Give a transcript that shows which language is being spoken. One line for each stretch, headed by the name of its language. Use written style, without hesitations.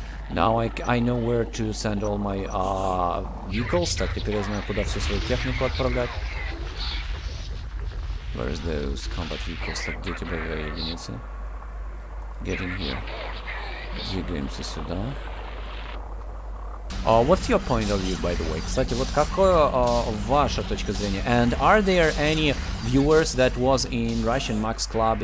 English: Now I know where to send all my vehicles.
Russian: Так, теперь я знаю, куда всю свою технику отправлять.
English: Where's those combat vehicles?
Russian: Так, где тебе боевые единицы?
English: Getting here.
Russian: Двигаемся сюда.
English: What's your point of view, by the way?
Russian: Кстати, вот какое ваша точка зрения?
English: And are there any viewers that was in Russian Max Club?